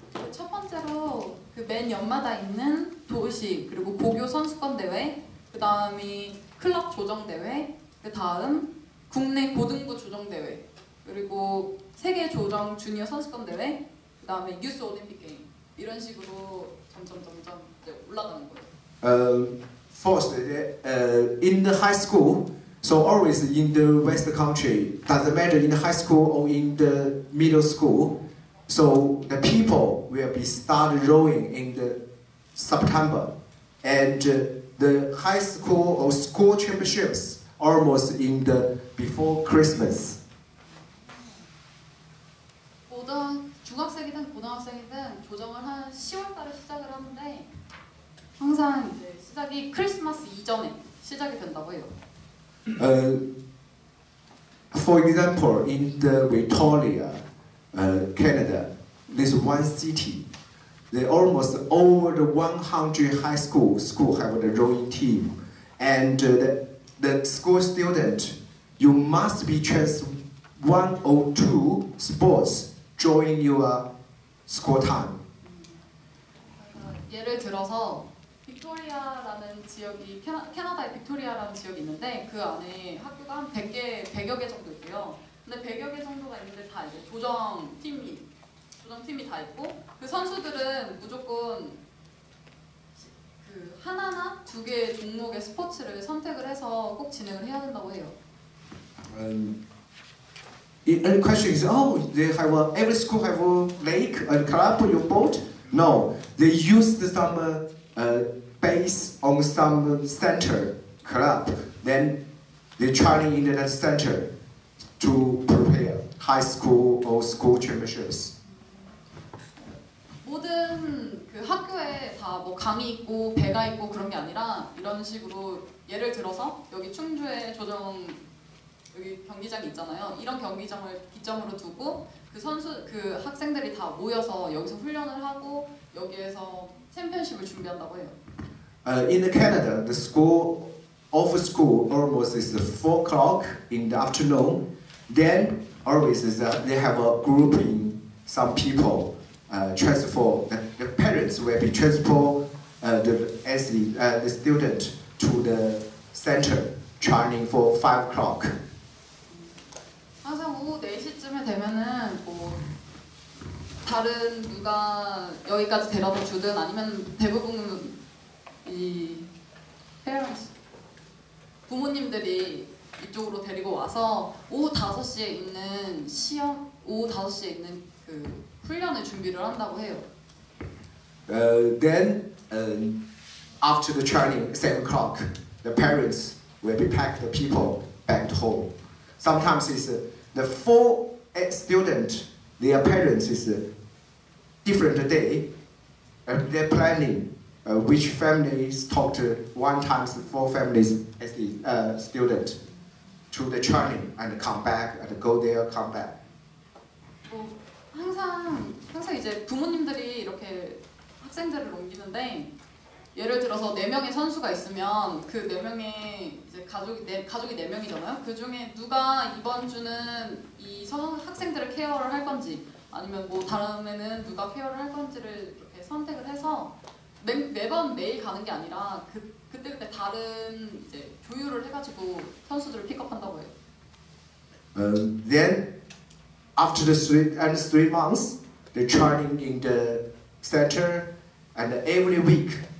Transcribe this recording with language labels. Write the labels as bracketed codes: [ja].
[ko] 첫 번째로 그 맨 연마다 있는 도시 그리고 고교 선수권 대회, 그 다음이 클럽 조정 대회, 그 다음 국내 고등부 조정 대회, 그리고 세계 조정 주니어 선수권 대회, 그 다음에 Youth Olympic Games 이런 식으로 점점 이제 올라가는 거예요. [en] First, in the high school. So always in the West country, doesn't matter in the high school or in the middle school, so the people will be start rowing in the September. And the high school or school championships almost in the before Christmas. [ko] 중학생이든 고등학생이든 조정을 한 10월달에 시작을 하는데 항상 이제 시작이 크리스마스 이전에 시작이 된다고 해요. [en] For example, in the Victoria, Canada, this one city, they almost over the 100 high school have the rowing team, and the school student, you must be choose one or two sports during your school time. [ko] 예를 들어서 빅토리아라는 지역이 캐나다의 빅토리아라는 지역이 있는데 그 안에 학교가 한 100여 개 정도 있고요. 근데 100여 개 정도가 있는데 다 이제 조정팀이 다 있고 그 선수들은 무조건 그 하나나 두 개의 종목의 스포츠를 선택을 해서 꼭 진행을 해야 된다고 해요. [en] And the question is, they have a, every school have a lake and club or your boat? No, they use the summer. Based on some center club, then they training in that center to prepare high school or school championships. [ko] 모든 그 학교에 다 뭐 강이 있고 배가 있고 그런 게 아니라 이런 식으로 예를 들어서 여기 충주에 조정 여기 경기장이 있잖아요. 이런 경기장을 기점으로 두고 그 선수 그 학생들이 다 모여서 여기서 훈련을 하고 여기에서 챔피언십을 준비한다고 해요. [en] In Canada, the school of school almost is 4 o'clock in the afternoon. Then always is that they have a grouping some people transport the parents will be transport the student to the center training for 5 o'clock. [ko] 항상 오후 4시쯤에 되면은 뭐 다른 누가 여기까지 데려다 주든 아니면 대부분 이 [en] parents [ko] 부모님들이 이쪽으로 데리고 와서 오후 5시에 있는 시험 오후 5시에 있는 그 훈련을 준비를 한다고 해요. [en] Then after the training 7 o'clock the parents will be pack the people back to home. Sometimes it's the four student their parents is different day and they're planning which families talk to one times the four families as the student to the training and come back and go there come back. [ko] 뭐, 항상 이제 부모님들이 이렇게 학생들을 옮기는데 예를 들어서 네 명의 선수가 있으면 그 네 명의 이제 가족이 네 명이잖아요. 그 중에 누가 이번 주는 이 학생들을 케어를 할 건지 아니면 뭐 다음에는 누가 케어를 할 건지를 이렇게 선택을 해서 매번 매일 가는 게 아니라 그때 다른 이제 조율을 해가지고 선수들을 픽업한다고 해요. [en] Then after the three months, the training in the center and every week.